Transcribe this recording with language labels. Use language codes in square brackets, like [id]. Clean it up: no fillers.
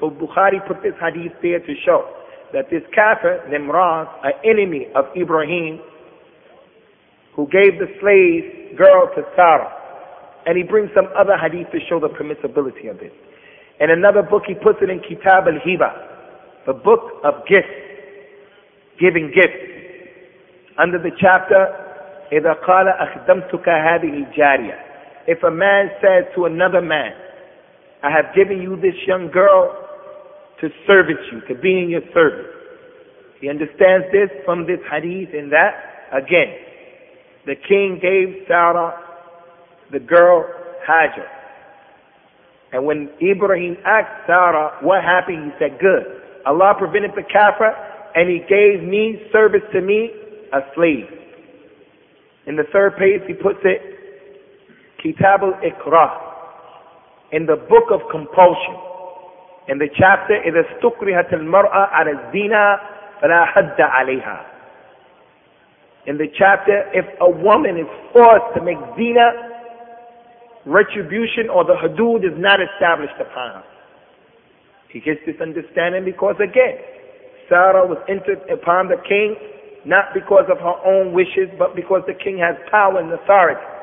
[en] So Bukhari put this hadith there to show that this kafir, Nimrod, an enemy of Ibrahim, who gave the slave girl to Sarah. And he brings some other hadith to show the permissibility of this. In another book, he puts it in Kitab al-Hiba, the book of gifts, giving gifts. Under the chapter, [ar] إِذَا قَالَ أَخْدَمْتُكَ هَذِهِ جَارِيَةً. [en] If a man says to another man, I have given you this young girl to service you, to be in your service. He understands this from this hadith in that, again, the king gave Sarah the girl Hajar. And when Ibrahim asked Sarah, what happened? He said, good. Allah prevented the kafir, and he gave me service to me, a slave. In the third page, he puts it, Kitab al-Iqra, in the book of compulsion. In the chapter, [ar] إِذَا اسْتُقْرِهَتِ الْمَرْأَ عَلَى الزِّنَا فَلَا حَدَّ عَلَيْهَا. [en] In the chapter, if a woman is forced to make zina, retribution or the hudud is not established upon her. He gets this understanding because, again, Sarah was entered upon the king, not because of her own wishes, but because the king has power and authority.